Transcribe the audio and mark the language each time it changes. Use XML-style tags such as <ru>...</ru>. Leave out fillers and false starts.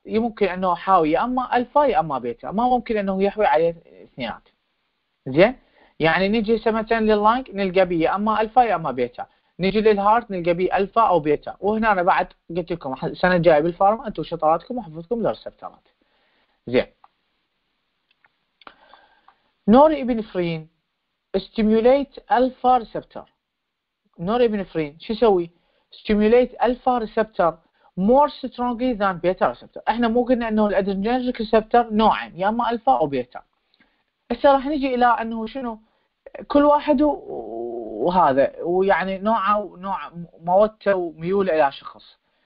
<ar>يمكن أنه حاوي أما ألفا يا أما بيتا، ما ممكن أنه يحوي على اثنينات. زين، يعني نجي مثلا لللانج نلقى بيه أما ألفا يا أما بيتا، نجي للهارت نلقى بيه ألفا أو بيتا. وهنا أنا بعد قلت لكم سنة جاية بالفارما أنتوا شطاراتكم وحفظكم للرسبتارات.</ar> <en>زين، norepinephrine stimulate alpha receptor. Norepinephrine</en> <ar>شو يسوي؟</ar> <en>Stimulate alpha receptor more strongly than beta receptor.</en> <ar>احنا مو قلنا انه الادرينرجيك ريسبتور نوعين، يا اما الفا او بيتا. هسه راح نجي الى انه شنو كل واحد وهذا، ويعني نوعه ونوع موته وميوله الى شخص.</ar>